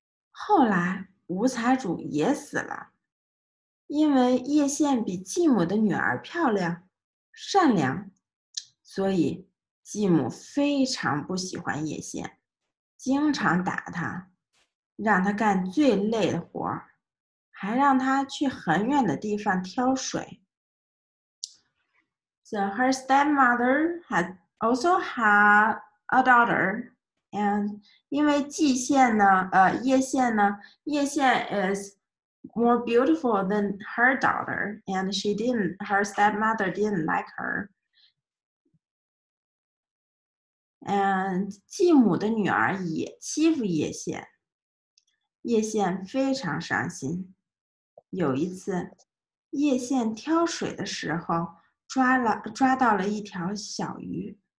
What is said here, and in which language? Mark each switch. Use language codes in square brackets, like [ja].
[zh] 后来吴财主也死了，因为叶县比继母的女儿漂亮善良，所以继母非常不喜欢叶县，经常打他，让他干最累的活，还让他去很远的地方挑水。 [en] So her stepmother had also had a daughter, and [zh] 因为季羡呢，叶羡呢，叶羡 [en] is more beautiful than her daughter, and she didn't, her stepmother didn't like her. [zh] And 继母的女儿也欺负叶羡，叶羡非常伤心。有一次，叶羡挑水的时候，抓到了一条小鱼。